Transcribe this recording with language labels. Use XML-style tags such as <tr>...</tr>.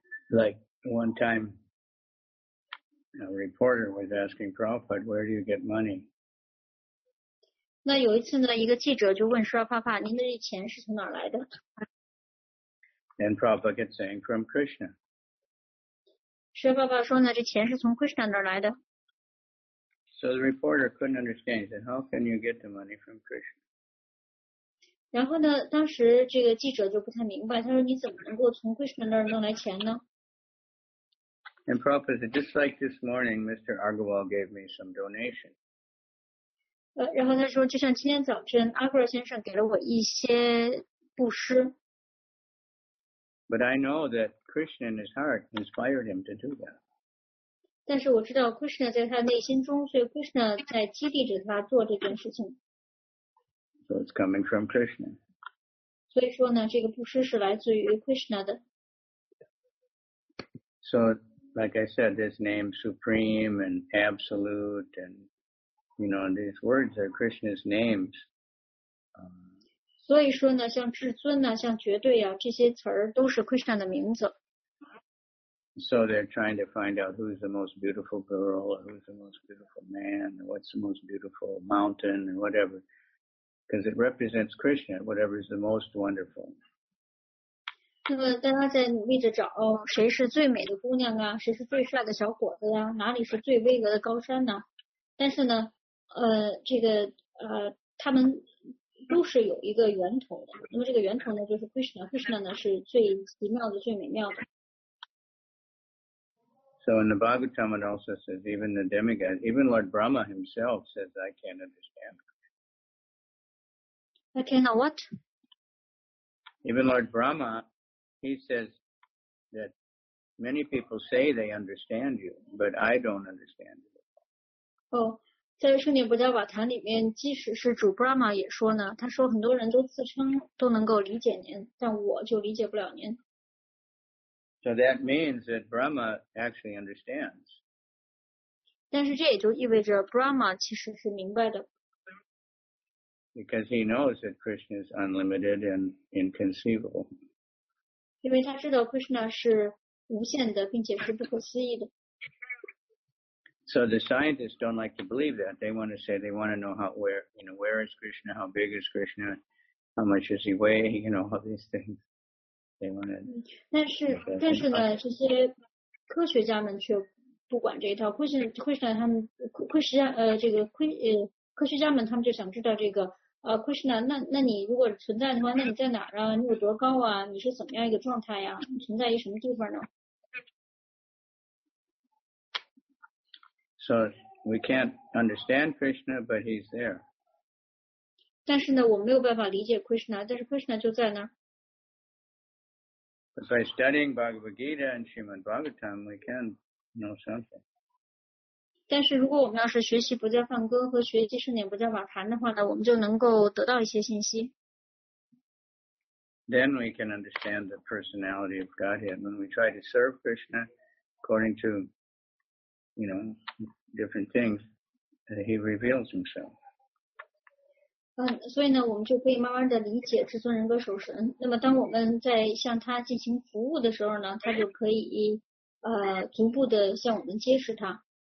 <en>Like one time, a reporter was asking Prabhupada, "Where do you get money?"</en> <zh>那有一次呢，一个记者就问沙帕帕，您的这钱是从哪来的？</zh> <en>And Prabhupada kept saying, "From Krishna."</en> <zh>沙帕帕说呢，这钱是从 Krishna 那儿来的。</zh> <en>So the reporter couldn't understand. He said, "How can you get the money from Krishna?"</en> <zh>然后呢，当时这个记者就不太明白，他说：“你怎么能够从 Krishna 那儿弄来钱呢？”</zh> <en>And Prabhupada said, just like this morning, Mr. Agarwal gave me some donation.</en> <zh>然后他说，就像今天早晨，阿格尔先生给了我一些布施。</zh> <en>But I know that Krishna in his heart inspired him to do that.</en> <zh>但是我知道 Krishna 在他内心中，所以 Krishna 在激励着他做这件事情。</zh> <en>So it's coming from Krishna.</en> <zh>所以说呢，这个布施是来自于 Krishna 的。</zh> <en>So, like I said, this name Supreme and Absolute and, you know, these words are Krishna's names.</en> <zh>所以说呢，像至尊啊，像绝对啊，这些词儿都是 Krishna 的名字。</zh> <en>So they're trying to find out who's the most beautiful girl, or who's the most beautiful man, or what's the most beautiful mountain, or whatever. Because it represents Krishna, whatever is the most wonderful.</en> <zh>那么大家在努力地找谁是最美的姑娘啊，谁是最帅的小伙子啊，哪里是最巍峨的高山呢、啊、但是呢这个他们都是有一个源头的，那么这个源头呢就是 Krishna， Krishna 呢是最奇妙的，最美妙的。</zh> <en>So in the Bhagavatam it also says even the demigods, even Lord Brahma himself says I can't understand. I cannot what? Even Lord Brahma, he says that many people say they understand you, but I don't understand you.</en> <zh>Oh, 在圣殿布加瓦坛里面，即使是主 Brahma 也说呢，他说很多人都自称都能够理解您，但我就理解不了您。</zh> <en>So that means that Brahma actually understands.</en> <zh>但是这也就意味着 Brahma 其实是明白的。</zh> <en>Because he knows that Krishna is unlimited and inconceivable.</en> <zh>因为他知道 Krishna 是无限的，并且是不可思议的。</zh> <en>So the scientists don't like to believe that. They want to say they want to know how, where, you know, where is Krishna, how big is Krishna, how much does he weigh, you know, all these things. They want to.</en> <zh>但是呢，这些科学家们却不管这一套。 Krishna 他们，科学家们他们就想知道这个Krishna， 那你如果存在的话，那你在哪儿啊？你有多高啊？你是怎么样一个状态呀、啊？你存在于什么地方呢</zh> <en>？So we can't understand Krishna, but he's there.</en> <zh>但是呢，我没有办法理解 Krishna， 但是 Krishna 就在那儿。</zh> <en>By studying Bhagavad Gita and Srimad Bhagavatam, we can know something.</en> <zh>但是如果我们要是学习不叫梵歌和学习圣典不叫瓦坛的话呢，我们就能够得到一些信息。</zh> <en>Then we can understand the personality of Godhead. When we try to serve Krishna according to, you know, different things, he reveals himself.</en> <zh>所以呢，我们就可以慢慢的理解至尊人格守神。那么当我们在向他进行服务的时候呢，他就可以逐步的向我们揭示他。</zh>